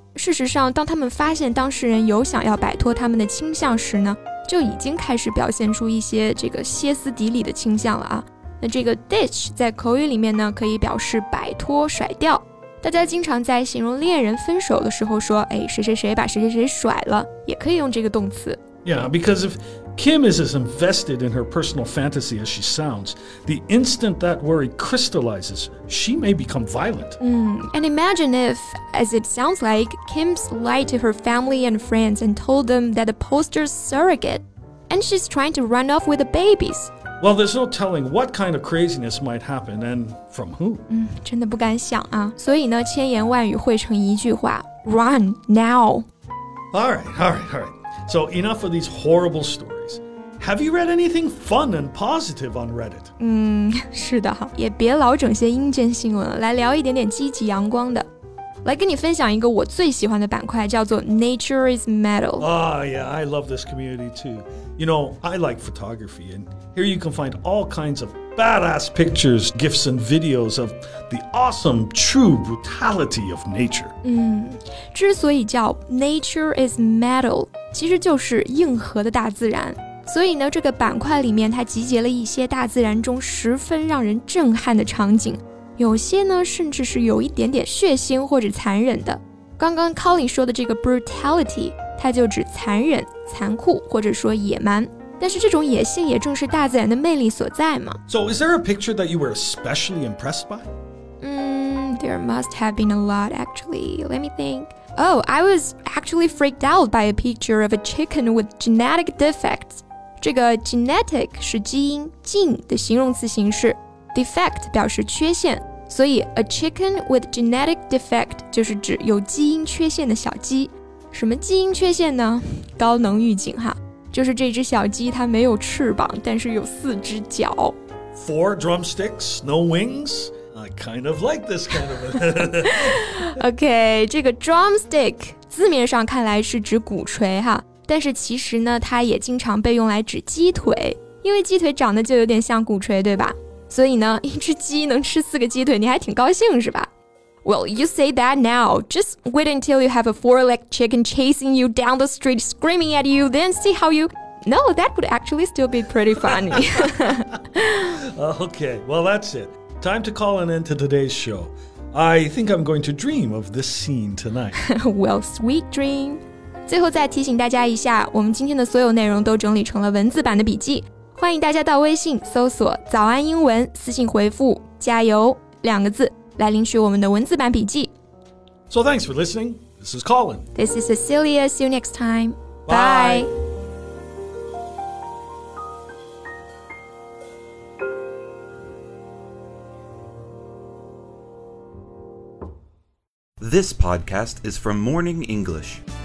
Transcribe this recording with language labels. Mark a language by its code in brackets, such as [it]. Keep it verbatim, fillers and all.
[zh] 事实上，当他们发现当事人有想要摆脱他们的倾向时呢，就已经开始表现出一些这个歇斯底里的倾向了啊。那这个 ditch 在口语里面呢，可以表示摆脱、甩掉。大家经常在形容恋人分手的时候说，哎，谁谁谁把谁谁谁甩了，也可以用这个动词。 [en] Yeah, because if Kim is as invested in her personal fantasy as she sounds, the instant that worry crystallizes, she may become violent. Mm, and imagine if, as it sounds like, Kim's lied to her family and friends and told them that the poster's surrogate, and she's trying to run off with the babies. Well, there's no telling what kind of craziness might happen and from who. [zh] 嗯，真的不敢想啊。所以呢，千言万语汇成一句话 ： [en] Run now. All right, all right, all right. So enough of these horrible stories. Have you read anything fun and positive on Reddit? [zh] 嗯，是的，也别老整些阴间新闻了，来聊一点点积极阳光的。来跟你分享一个我最喜欢的板块，叫做 Nature is Metal. [en] Ah, yeah, I love this community too. You know, I like photography, and here you can find all kinds of badass pictures, gifs, and videos of the awesome, true brutality of nature. [zh] 嗯，之所以叫 Nature is Metal. 其实就是硬核的大自然，所以呢，这个板块里面它集结了一些大自然中十分让人震撼的场景，有些呢甚至是有一点点血腥或者残忍的。刚刚 Colin 说的这个 brutality， 它就指残忍、残酷或者说野蛮，但是这种野性也正是大自然的魅力所在嘛。 [en] So is there a picture that you were especially impressed by? 嗯 there must have been a lot actually. Let me think. Oh, I was actually freaked out by a picture of a chicken with genetic defects. [zh] 这个 genetic 是基因近的形容词形式 defect 表示缺陷，所以 [en] a chicken with genetic defect [zh] 就是指有基因缺陷的小鸡。什么基因缺陷呢？高能预警哈，就是这只小鸡它没有翅膀，但是有四只脚。 [en] Four drumsticks, no wings. I kind of like this kind of it. [zh] OK, 这个 drumstick 字面上看来是指鼓槌哈，但是其实呢，它也经常被用来指鸡腿，因为鸡腿长得就有点像鼓槌，对吧？所以呢，一只鸡能吃四个鸡腿，你还挺高兴是吧？ [en] Well, you say that now. Just wait until you have a four-legged chicken chasing you down the street, screaming at you, then see how you... No, that would actually still be pretty funny. Okay, well, that's it. Time to call an end to today's show. I think I'm going to dream of this scene tonight. Well, sweet dream. [zh] 最后再提醒大家一下，我们今天的所有内容都整理成了文字版的笔记，欢迎大家到微信搜索“早安英文”，私信回复“加油”两个字来领取我们的文字版笔记。 [en] So thanks for listening. This is Colin. This is Cecilia. See you next time. Bye. Bye. This podcast is from Morning English.